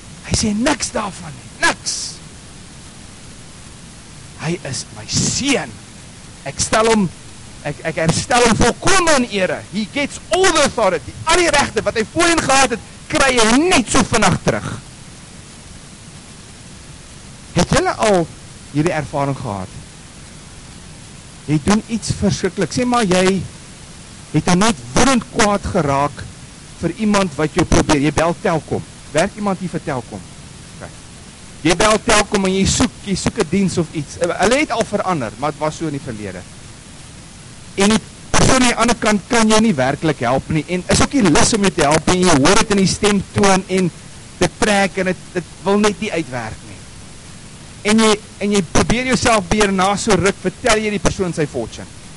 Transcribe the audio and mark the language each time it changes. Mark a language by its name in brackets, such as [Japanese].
[Afrikaans] Hy sê niks daarvan, niks. Hy is my seun. Ek herstel hom volkom in ere. [English] He gets all the authority. [Afrikaans] Al die regte wat hy voorheen gehad het, kry hy net so vinnig terug. Het julle al hierdie ervaring gehad? Jy doen iets verskrikliks. Sê maar, jy het dan net woedend kwaad geraak vir iemand wat jou probeer. Jy bel Telkom. Werk iemand hier vir Telkom? Okay. Jy bel Telkom en jy soek 'n diens of iets. Hulle het al verander, maar het was so in die verlede. En die persoon aan die ander kant kan jou nie werklik help nie, en is ook nie lus om jou te help, en jy hoor dit in die stemtoon, en dit trek, en dit wil net nie uitwerk nie. En jy probeer jouself weer na so ruk, vertel jy die persoon sy fortune.